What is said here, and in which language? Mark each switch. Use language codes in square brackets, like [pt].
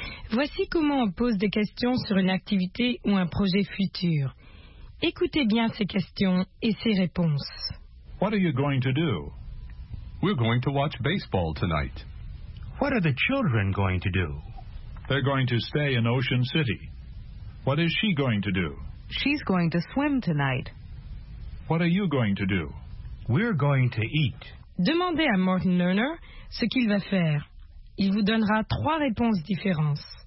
[fr] Voici comment on pose des questions sur une activité ou un projet futur. Écoutez bien ces questions et ces réponses. [en] What are you going to do? We're going to watch baseball tonight. What are the children going to do? They're going to stay in Ocean City. What is she going to do? She's going to swim tonight. What are you going to do? We're going to eat. [fr] Demandez à Martin Lerner ce qu'il va faire. Il vous donnera trois réponses différentes.